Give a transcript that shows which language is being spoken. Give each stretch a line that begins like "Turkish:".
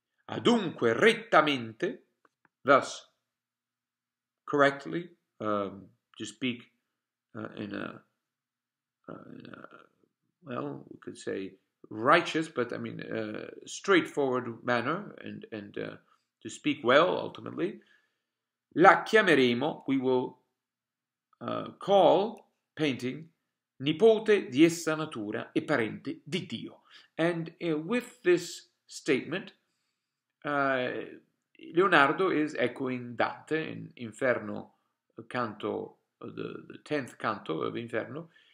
Italian: Adunque rettamente,
English: thus, correctly, to speak in a well, we could say righteous, but I mean straightforward manner, and to speak well, ultimately.
Italian: La chiameremo,
English: we will call painting
Italian: nipote di essa natura e parente di Dio.
English: And with this statement, Leonardo is echoing Dante in Inferno, canto, the 10th canto of Inferno.